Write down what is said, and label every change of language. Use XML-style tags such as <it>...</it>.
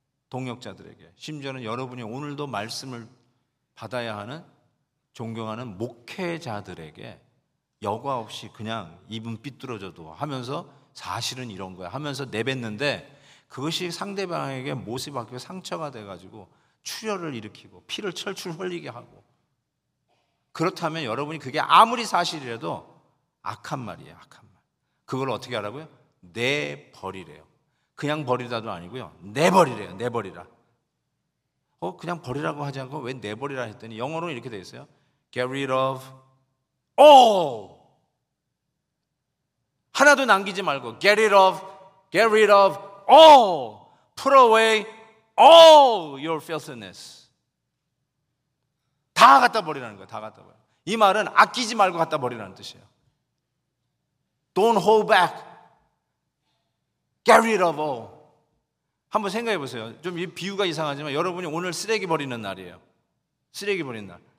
<ko>동역자들에게, 심지어는 여러분이 오늘도 말씀을 받아야 하는 존경하는 목회자들에게 여과 없이 그냥 입은 삐뚤어져도 하면서 사실은 이런 거야 하면서 내뱉는데 그것이 상대방에게 못이 박혀 상처가 돼가지고 출혈을 일으키고 피를 철출 흘리게 하고, 그렇다면 여러분이 그게 아무리 사실이라도 악한 말이에요. 악한 말. 그걸 어떻게 하라고요? 내버리래요. 그냥 버리다도 아니고요. 내버리래요. 내버리라. 그냥 버리라고 하지 않고 왜 내버리라 했더니 영어로 이렇게 되어 있어요.</ko> <en>Get rid of all.</en> <ko>하나도 남기지 말고</ko> <en>get rid of, get rid of all. Put away all your filthiness.</en> <ko>다 갖다 버리라는 거예요. 다 갖다 버려. 이 말은 아끼지 말고 갖다 버리라는 뜻이에요.</ko> <en>Don't hold back. Get rid of all.</en> <ko>한번 생각해 보세요. 좀 이 비유가 이상하지만 여러분이 오늘 쓰레기 버리는 날이에요. 쓰레기 버리는 날.</ko>